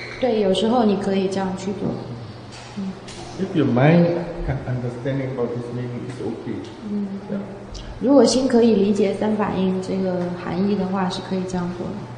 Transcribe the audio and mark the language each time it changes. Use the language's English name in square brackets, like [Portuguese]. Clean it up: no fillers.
[Chinese] 对，有时候你可以这样去做。 [English] If your mind can understand about this meaning, it's okay. [Chinese] 嗯，如果心可以理解三法印这个含义的话，是可以这样做的。